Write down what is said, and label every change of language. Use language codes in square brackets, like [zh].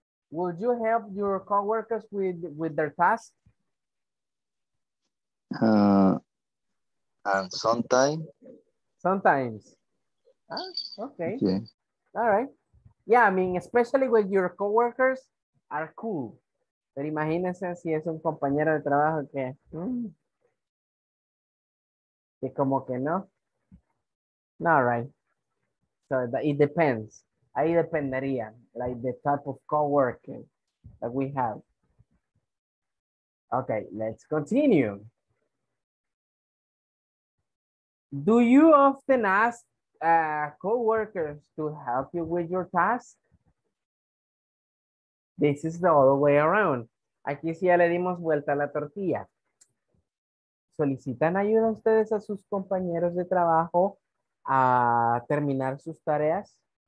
[en] Would you help your coworkers with their tasks? And sometimes. Sometimes. Okay. Yeah. All right. Yeah, I mean, especially when your coworkers are cool. [es] Pero imagínense si es un compañero de trabajo que. Que como que no. No, [en] right. So it depends. [es] Ahí dependería, [en] like the type of coworking that we have. Okay, let's continue. Do you often ask coworkers to help you with your task? This is the other way around. [es] Aquí sí ya le dimos vuelta a la tortilla. ¿Solicitan ayuda ustedes a sus compañeros de trabajo a terminar sus tareas?